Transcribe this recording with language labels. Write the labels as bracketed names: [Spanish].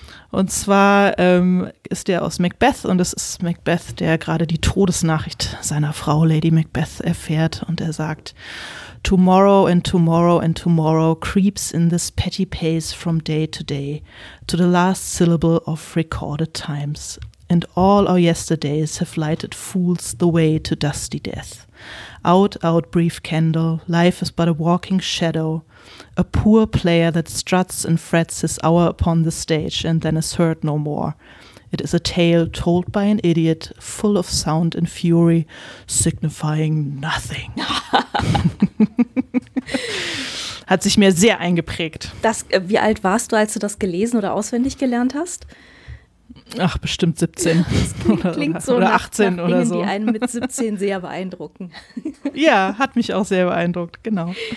[German] Und zwar ist der aus Macbeth und es ist Macbeth, der gerade die Todesnachricht seiner Frau Lady Macbeth erfährt und er sagt: [English] Tomorrow and tomorrow and tomorrow creeps in this petty pace from day to day to the last syllable of recorded times. And all our yesterdays have lighted fools the way to dusty death. Out, out, brief candle, life is but a walking shadow, a poor player that struts and frets his hour upon the stage and then is heard no more. It is a tale told by an idiot, full of sound and fury, signifying nothing. [German] Hat sich mir sehr eingeprägt. Wie alt warst du, als du das gelesen oder auswendig gelernt hast? Ach, bestimmt 17. Klingt so oder 18 nach oder so. Die einen mit 17 sehr beeindrucken. Ja, hat mich auch sehr beeindruckt, genau.